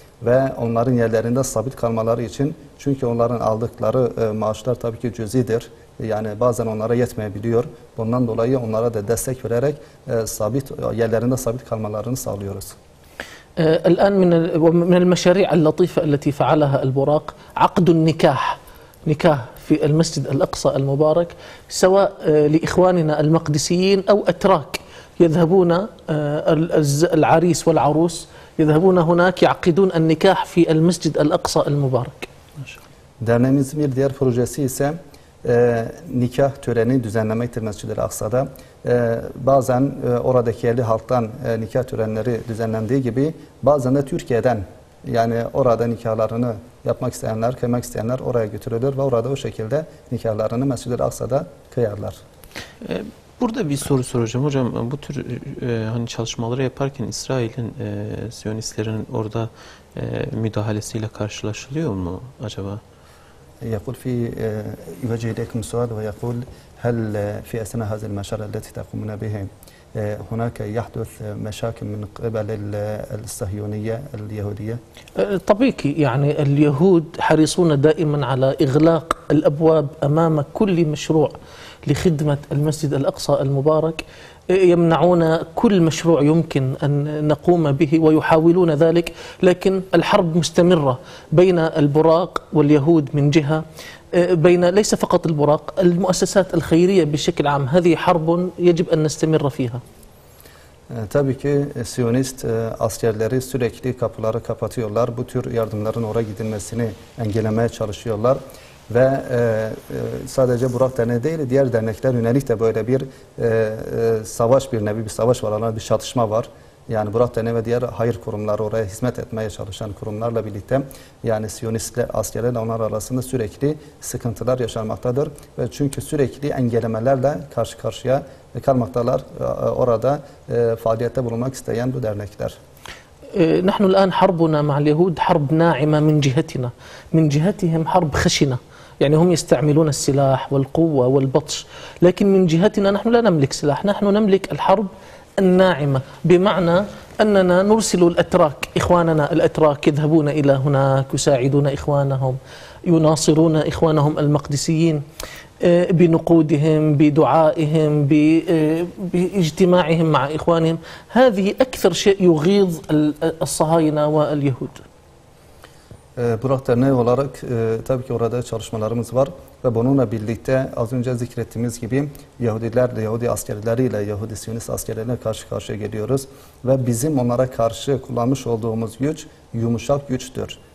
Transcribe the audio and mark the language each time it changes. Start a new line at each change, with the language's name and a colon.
Turkish: Ve onların yerlerinde sabit kalmaları için, çünkü onların aldıkları maaşlar tabii ki cüzidir. Yani bazen onlara yetmeyebiliyor. Bundan dolayı onlara da destek vererek sabit yerlerinde sabit kalmalarını sağlıyoruz.
Arabic: الآن من المشاريع اللطيفة التي فعلها البراق عقد النكاح، نكاح في المسجد الأقصى المبارك، سواء لإخواننا المقدسيين أو أتراك يذهبون العريس والعروس يذهبون هناك يعقدون النكاح في المسجد الأقصى المبارك.
Turkish: Derneğimiz bir diğer projesi ise nikah töreni düzenlemektir Mescid-i Aksa'da. Bazen oradaki yerli halktan nikah törenleri düzenlendiği gibi bazen de Türkiye'den yani orada nikahlarını yapmak isteyenler, kıymak isteyenler oraya götürülür ve orada o şekilde nikahlarını Mescid-i Aksa'da kıyarlar. Burada bir soru soracağım. Hocam bu tür hani çalışmaları yaparken İsrail'in, Siyonistlerin orada müdahalesiyle karşılaşılıyor mu acaba?
Arabic: يقول في يوجه إليكم سؤال ويقول هل في أثناء هذه المشاريع التي تقومون بها هناك يحدث مشاكل من قبل الصهيونية اليهودية؟ طبيعي يعني اليهود حريصون دائما على إغلاق الأبواب أمام كل مشروع لخدمة المسجد الأقصى المبارك يمنعون كل مشروع يمكن أن نقوم به ويحاولون ذلك لكن الحرب مستمرة بين البراق واليهود من جهة بين ليس فقط البراق المؤسسات الخيرية بشكل عام هذه حرب يجب أن نستمر فيها.
Turkish: Tabii ki Siyonist askerleri sürekli kapıları kapatıyorlar. Bu tür yardımların oraya gidilmesini engellemeye çalışıyorlar. Ve sadece Burak Derneği değil, diğer dernekler yönelik de böyle bir savaş bir nevi, bir savaş var, bir çatışma var. Yani Burak Derneği ve diğer hayır kurumları oraya hizmet etmeye çalışan kurumlarla birlikte, yani Siyonistle askerlerle onlar arasında sürekli sıkıntılar yaşanmaktadır. Ve çünkü sürekli engellemelerle karşı karşıya kalmaktalar orada faaliyette bulunmak isteyen bu dernekler.
Arabic: نحن الآن حربنا مع اليهود حرب ناعمة من جهتنا من جهتهم حرب خشنة يعني هم يستعملون السلاح والقوة والبطش لكن من جهتنا نحن لا نملك سلاح نحن نملك الحرب الناعمة بمعنى أننا نرسل الأتراك إخواننا الأتراك يذهبون إلى هناك يساعدون إخوانهم يناصرون إخوانهم المقدسيين بنقودهم بدعائهم باجتماعهم مع إخوانهم هذه أكثر شيء يغيظ الصهاينة واليهود.
Turkish: Burak Derneği olarak tabii ki orada çalışmalarımız var ve bununla birlikte az önce zikrettiğimiz gibi Yahudilerle, Yahudi askerleriyle, Yahudi Siyonist askerleriyle karşı karşıya geliyoruz ve bizim onlara karşı kullanmış olduğumuz güç yumuşak güçtür.